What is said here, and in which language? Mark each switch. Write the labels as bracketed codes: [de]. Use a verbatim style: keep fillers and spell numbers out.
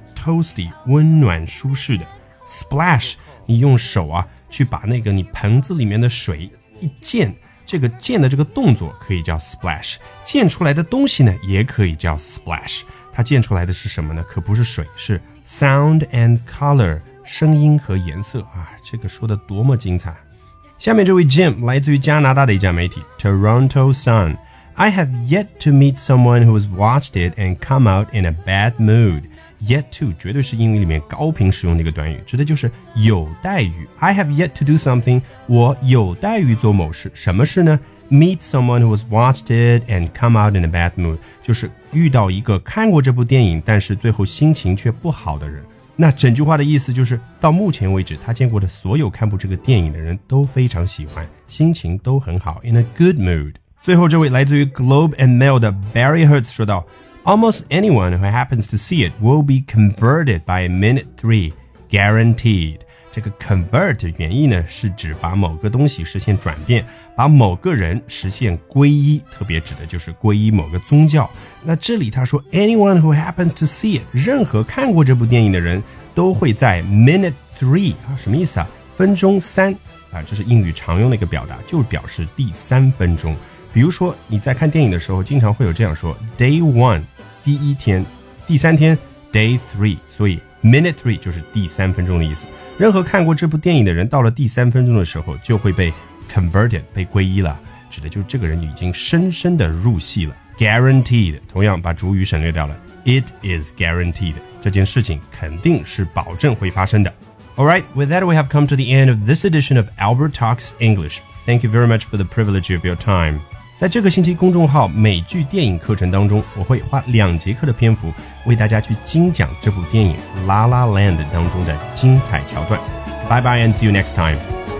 [zh] Toasty 温暖舒适的， Splash 你用手啊去把那个你盆子里面的水一溅，这个溅的这个动作可以叫 splash， 溅出来的东西呢也可以叫 splash。它溅出来的是什么呢？可不是水，是 [en] sound and color， [zh] 声音和颜色啊！这个说的多么精彩！下面这位 Jim 来自于加拿大的一家媒体 Toronto Sun。 [en] I have yet to meet someone who's watched it and come out in a bad mood。 [zh] Yet to 绝对是英语里面高频使用的一个短语，指的就是有待于。 [en] I have yet to do something， [zh] 我有待于做某事。什么事呢？ [en] Meet someone who has watched it and come out in a bad mood， [zh] 就是遇到一个看过这部电影但是最后心情却不好的人。那整句话的意思就是，到目前为止，他见过的所有看过这个电影的人都非常喜欢，心情都很好， [en] in a good mood。 [zh] 最后这位来自于 [en] Globe and Mail 的 Barry Hertz [zh] 说到 [en] Almost anyone who happens to see it will be converted by minute three, guaranteed。 [zh] 这个 convert 原意呢是指把某个东西实现转变，把某个人实现皈依，特别指的就是皈依某个宗教。那这里他说 [en] anyone who happens to see it， [zh] 任何看过这部电影的人都会在 minute three 啊，什么意思啊？分钟三啊，这是英语常用的一个表达，就表示第三分钟。比如说你在看电影的时候，经常会有这样说 day one 第一天，第三天 day three， 所以 minute three 就是第三分钟的意思。任何看过这部电影的人到了第三分钟的时候就会被 converted， 被皈依了，指的就是这个人已经深深的入戏了。Guaranteed 同样把主语省略掉了， [en] It is guaranteed. [zh] 这件事情肯定是保证会发生的。 [en] Alright, with that we have come to the end of this edition of Albert Talks English. Thank you very much for the privilege of your time. [zh] 在这个星期公众号美剧电影课程当中，我会花两节课的篇幅为大家去精讲这部电影 La La Land 当中的精彩桥段。 [en] Bye bye and see you next time.